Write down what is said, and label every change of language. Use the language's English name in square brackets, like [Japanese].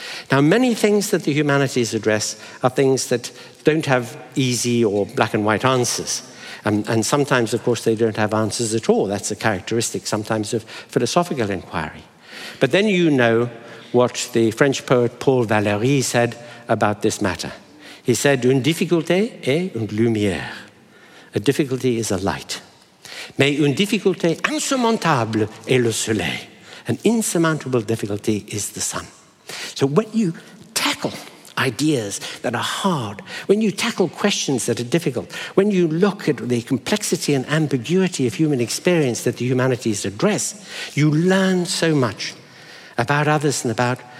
[English] Now, many things that the humanities address are things that don't have easy or black and white answers. And sometimes, of course, they don't have answers at all. That's a characteristic sometimes of philosophical inquiry. But then you know what the French poet Paul Valéry said about this matter. He said, [French] une difficulté est une lumière. [English] A difficulty is a light. [French] Mais une difficulté insurmontable est le soleil. [English] An insurmountable difficulty is the sun. So when you tackle ideas that are hard, when you tackle questions that are difficult, when you look at the complexity and ambiguity of human experience that the humanities address, you learn so much about others and about